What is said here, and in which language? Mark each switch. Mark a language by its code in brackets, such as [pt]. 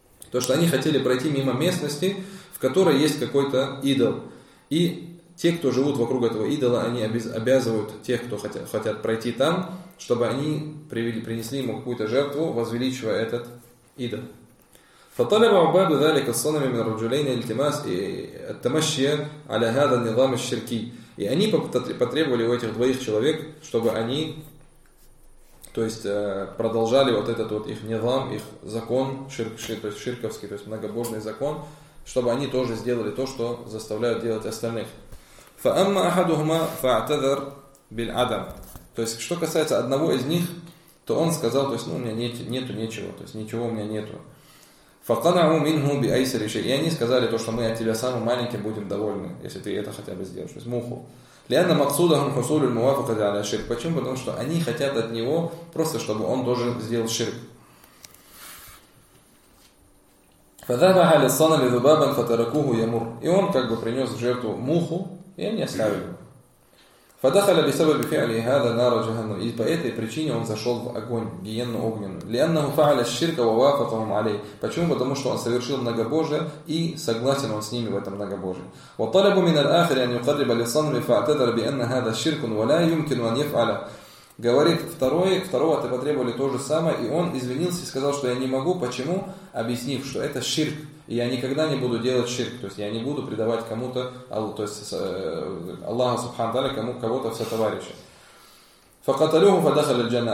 [ru] То, что они хотели пройти мимо местности, в которой есть какой-то идол. И те, кто живут вокруг этого идола, они обязывают тех, кто хотят пройти там, чтобы они принесли ему какую-то жертву, возвеличивая этот идол. [ar] فطلب عباد ذلك الصنم من الرجلين التماس التمشي على هذا النظام الشركي. [ru] И они потребовали у этих двоих человек, чтобы они, то есть, продолжали вот этот вот их низам, их закон ширковский, то есть многобожный закон, чтобы они тоже сделали то, что заставляют делать остальных. [ar] فأما أحدهما فاعتذر بالعدم. [ru] То есть, что касается одного из них, то он сказал, то есть, ну, у меня нету ничего, то есть ничего у меня нету. [ar] فَقَنَعُوا مِنْهُ بِأَيْسَرِ شَيْءٍ. [ru] И они сказали то, что мы от тебя самым маленьким будем довольны, если ты это хотя бы сделаешь, то есть муху. [ar] لِأَنَّ مَقْصُودَهُمْ حُصُولُ الْمُوَافَقَةِ عَلَى الشِّرْكِ. [ru] Почему? Потому что они хотят от него просто, чтобы он тоже сделал ширк. [ar] فَذَبَحَ لِلصَّنَمِ ذُبَابًا فَتَرَكُوهُ يَمُرُ. [ru] И он как бы принес в жертву муху, и они оставили его. [ar] فدخل بسبب فعله هذا نار جهنم. [ru] И по этой причине он зашел в огонь, гиенну огненную. [ar] لأنه فعل الشرك ووافقهم عليه. [ru] Почему? Потому что он совершил многобожие и согласен он с ними в этом многобожии. [ar] وطلب من الآخر أن يقرب للصنم فاعتذر بأن هذا الشرك ولا يمكن أن يفعله. [ru] Говорит второго ты потребовали то же самое, и он извинился и сказал, что я не могу. Почему? Объяснив, что это ширк, и я никогда не буду делать ширк, то есть я не буду предавать кому-то, то есть Аллаха субхану тааля, кого-то все товарищи. [ar] فقتلوه فدخل الجنة.